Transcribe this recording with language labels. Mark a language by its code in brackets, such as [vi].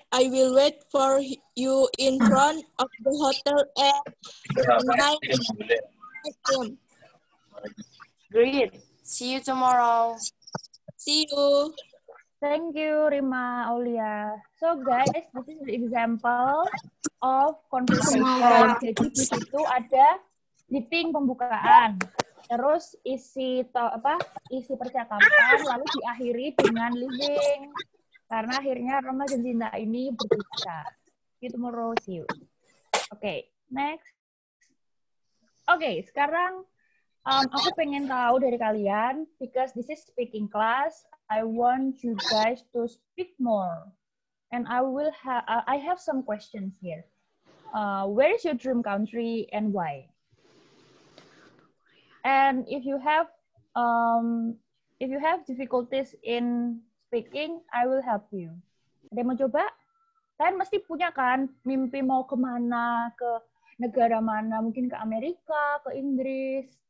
[en] I will wait for you in front of the hotel at 9 a.m. Great. See you tomorrow. See you. Thank you, Rima, Aulia. So guys, this is the example of conversation. [id] Jadi di situ ada meeting pembukaan, terus isi percakapan, lalu diakhiri dengan leaving. Karena akhirnya Rima dan Cinta ini berpisah. [en] See you tomorrow, see you. Okay, next. Okay, [id] sekarang aku pengen tahu dari kalian, [en] because this is speaking class, I want you guys to speak more. And I have some questions here. Where is your dream country and why? And if you have difficulties in speaking, I will help you. [id] Ada mau coba? Kalian mesti punya kan mimpi mau kemana, ke negara mana, mungkin ke Amerika, ke Inggris.